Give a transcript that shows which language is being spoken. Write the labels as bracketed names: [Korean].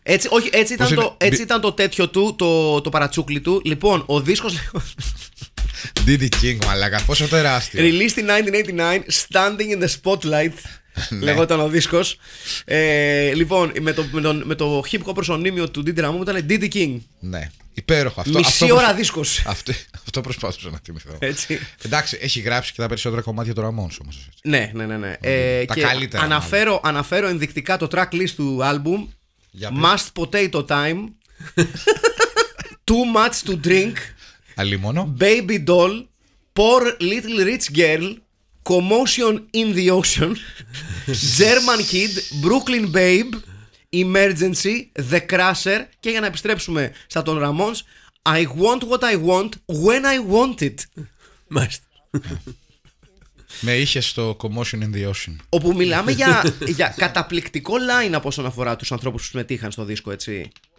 [Greek] Έτσι, όχι, έτσι, ήταν, το, έτσι ήταν το τέτοιο του, το παρατσούκλι του. Λοιπόν, ο δίσκος. Didi King, μαλάκα, πόσο τεράστιο. [English] Released in 1989, Standing in the Spotlight. [Greek] Λεγόταν ο δίσκος. Λοιπόν, με το hip hop προσωνύμιο του Didi Ramon ήταν Didi King. Ναι. Υπέροχο αυτό. Μισή ώρα δίσκος. Αυτό προσπάθησα να θυμηθώ. Έτσι. Εντάξει, έχει γράψει και τα περισσότερα κομμάτια του Ramon όμως. Ναι. Τα καλύτερα. Αναφέρω ενδεικτικά το track list του album. [English] Must Potato Time. Too Much to Drink. [Greek] Αλίμονο. [English] Baby Doll. Poor Little Rich Girl. Commotion in the Ocean. German Kid. Brooklyn Babe. Emergency, The Crusher. [Greek] Και για να επιστρέψουμε στα των Ramones, [English] I want what I want when I want it. [Greek] Μάλιστα. Με είχε στο Commotion in the Ocean. Όπου μιλάμε για καταπληκτικό line από όσον αφορά τους ανθρώπους που συμμετείχαν στο δίσκο, έτσι.